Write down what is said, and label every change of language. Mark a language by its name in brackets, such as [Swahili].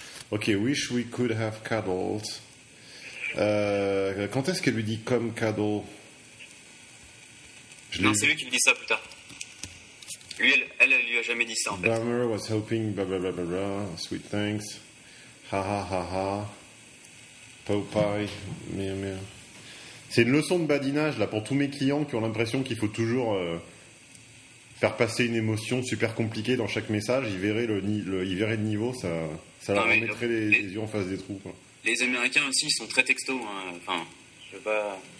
[English] Ok, wish we could have cuddled. [French] Quand est-ce qu'elle lui dit [English] come cuddle? [French] C'est lui qui lui dit ça plus tard. Lui, elle lui a jamais dit ça en fait. [English] Bummer was hoping, blah blah blah blah blah, sweet thanks. Ha ha ha ha. Popeye, miam miam. [French] C'est une leçon de badinage là pour tous mes clients qui ont l'impression qu'il faut toujours faire passer une émotion super compliquée dans chaque message. Ils verraient le niveau, ça leur mettrait les yeux en face des trous. Quoi. Les Américains aussi, ils sont très textos. Hein. Enfin, je sais pas.